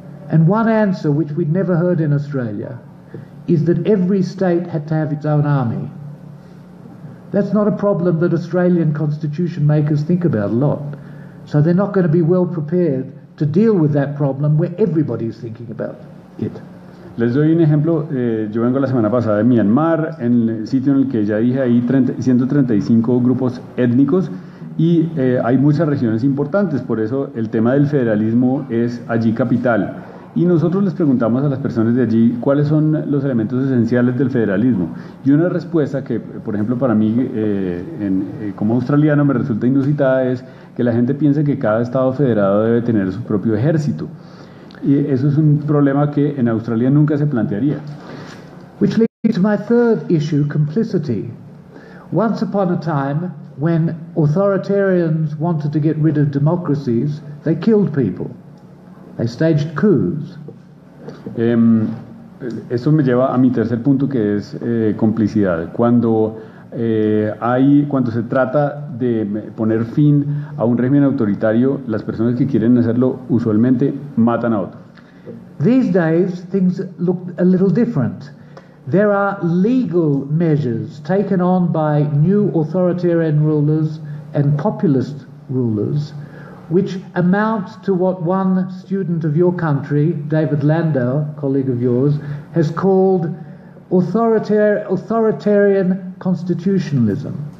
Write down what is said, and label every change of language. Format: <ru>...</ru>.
<en>And one answer, which we'd never heard in Australia, is that every state had to have its own army. That's not a problem that Australian constitution makers think about a lot. So they're not going to be well prepared to deal with that problem where everybody is thinking about it.</en> <es>Les doy un ejemplo. Yo vengo la semana pasada de Myanmar, en el sitio en el que ya dije hay 135 grupos étnicos y hay muchas regiones importantes. Por eso el tema del federalismo es allí capital. Y nosotros les preguntamos a las personas de allí cuáles son los elementos esenciales del federalismo. Y una respuesta que, por ejemplo, para mí como australiano me resulta inusitada es que la gente piensa que cada estado federado debe tener su propio ejército. Y eso es un problema que en Australia nunca se plantearía.</es> <en>Which leads to my third issue, complicity. Once upon a time, when authoritarians wanted to get rid of democracies, they killed people. They staged coups.</en> <es>Esto me lleva a mi tercer punto, que es complicidad. Cuando hay, cuando se trata de poner fin a un régimen autoritario, las personas que quieren hacerlo usualmente matan a otro.</es> <en>These days things look a little different. There are legal measures taken on by new authoritarian rulers and populist rulers, which amounts to what one student of your country, David Landau, colleague of yours, has called authoritarian constitutionalism.</en>